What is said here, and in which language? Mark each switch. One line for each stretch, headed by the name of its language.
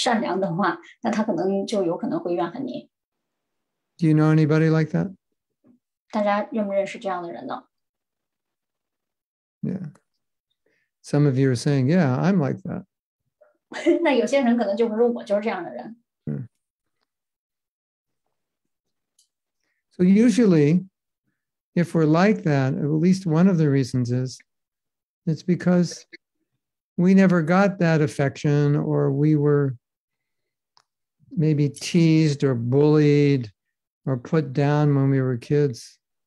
Chinese: 对，如果要是就有这样一种人，如果你要是不对他好，然后呢不对他很仁慈，善良的话，那他可能就有可能会怨恨你。
English: Do you know anybody like that?
Chinese: 大家认不认识这样的人呢？
English: Yeah. Some of you are saying, yeah, I'm like that.
Chinese: 那有些人可能就是我就是这样的人。
English: So usually, if we're like that, at least one of the reasons is, it's because we never got that affection, or we were maybe teased or bullied or put down when we were kids.